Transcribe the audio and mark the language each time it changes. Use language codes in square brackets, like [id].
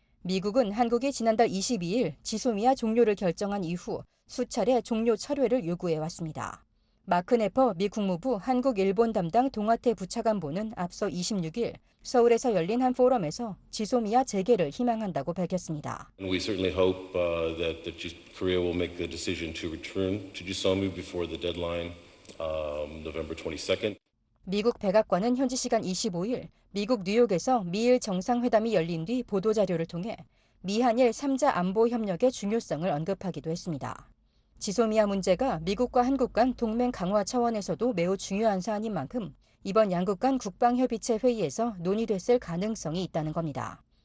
[ko] 미국은 한국이 지난달 22일 지소미아 종료를 결정한 이후 수차례 종료 철회를 요구해왔습니다. 마크 네퍼 미 국무부 한국-일본 담당 동아태 부차관보는 앞서 26일 서울에서 열린 한 포럼에서 지소미아 재개를 희망한다고 밝혔습니다. [en] We certainly hope that Korea will make the decision to return to GSOMI before the deadline November 22nd. [ko] 미국 백악관은 현지 시간 25일 미국 뉴욕에서 미일 정상회담이 열린 뒤 보도자료를 통해 미한일 3자 안보 협력의 중요성을 언급하기도 했습니다. 지소미아 문제가 미국과 한국 간 동맹 강화 차원에서도 매우 중요한 사안인 만큼 이번 양국 간 국방협의체 회의에서 논의됐을 가능성이 있다는 겁니다.